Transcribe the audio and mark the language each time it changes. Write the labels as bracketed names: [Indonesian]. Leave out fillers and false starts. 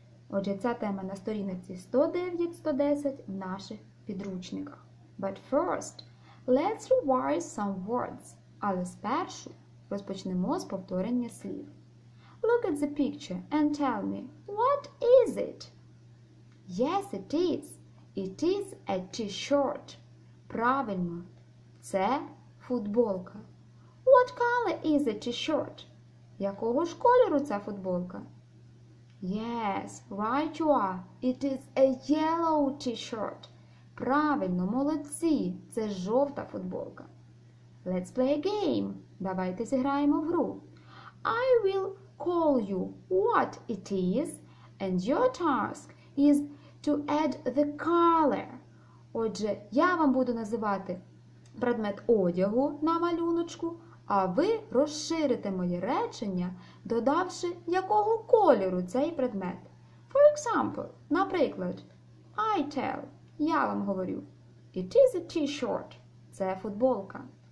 [Ukrainian] Отже, ця тема на сторінці 109-110 в наших підручниках. [English] But first, let's revise some words. [Ukrainian] Але спершу розпочнемо з повторення слів. [English] Look at the picture and tell me, what is it? Yes, it is. It is a t-shirt. [Ukrainian] Правильно, це футболка. [English] What color is a t-shirt? [Ukrainian] Якого ж кольору ця футболка? [English] Yes, right you are. It is a yellow t-shirt. [Ukrainian] Правильно, молодці. Це жовта футболка. [English] Let's play a game. [Ukrainian] Давайте зіграємо в гру. [English] I will call you what it is, and your task is to add the color. [Ukrainian] Отже, я вам буду називати предмет одягу на малюночку, а ви розширите моє речення, додавши, якого кольору цей предмет. [English] For example, [Ukrainian] наприклад, [English] I tell, [Ukrainian] я вам говорю, [English] it is a t-shirt, [Ukrainian] це футболка.